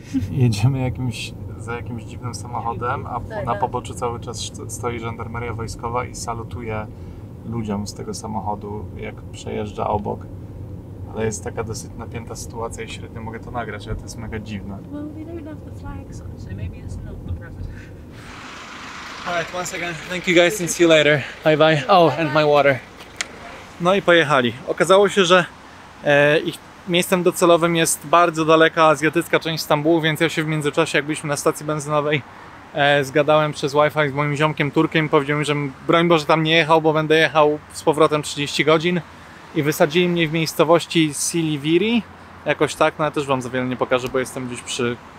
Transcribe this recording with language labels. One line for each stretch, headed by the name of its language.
Polish: Jedziemy za jakimś dziwnym samochodem, a na poboczu cały czas stoi żandarmeria wojskowa i salutuje ludziom z tego samochodu, jak przejeżdża obok. Ale jest taka dosyć napięta sytuacja i średnio mogę to nagrać, ale to jest mega dziwne.
English: All right, once again, thank you guys and see you later. Bye bye. Oh, and my water.
Polish: No i pojechali. Okazało się, że ich miejscem docelowym jest bardzo daleka azjatycka część Stambułu, więc ja się w międzyczasie, jak byliśmy na stacji benzynowej, zgadałem przez Wi-Fi z moim ziomkiem Turkiem, powiedział mi, że broń Boże tam nie jechał, bo będę jechał z powrotem 30 godzin i wysadzili mnie w miejscowości Siliviri, jakoś tak, no ja też wam za wiele nie pokażę, bo jestem gdzieś przy